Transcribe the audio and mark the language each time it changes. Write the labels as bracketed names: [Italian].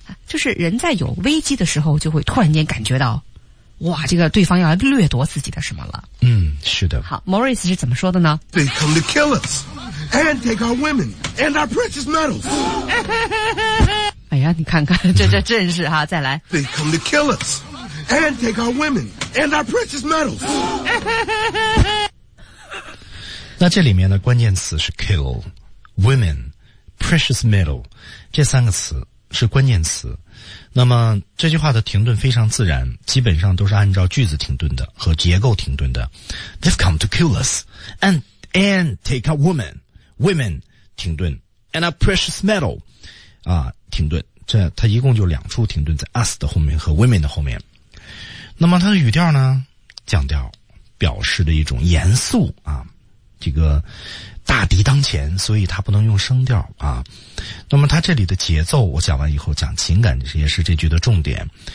[Chinese] 就是人在有危机的时候，就会突然间感觉到，哇，这个对方要来掠夺自己的什么了。嗯，是的。好 ，Morris 是怎么说的呢 [English] ？They come to kill us and take our women and our precious metals 。 [Chinese] 哎呀，你看看这阵势哈、啊，再来。 [English] They come to kill us。 and take our women and our precious metals. [Chinese] 那这里面的关键词是 kill, women, precious metal, 这三个词是关键词。那么这句话的停顿非常自然，基本上都是按照句子停顿的和结构停顿的。 [English] They've come to kill us, and take our women, women, 停顿 and our precious metal, 啊，停顿。 [Chinese] 这它一共就两处停顿，在 us 的后面和 women 的后面。那么它的语调呢，降调，表示的一种严肃啊，这个大敌当前，所以它不能用声调啊。那么它这里的节奏，我讲完以后讲情感，也是这句的重点。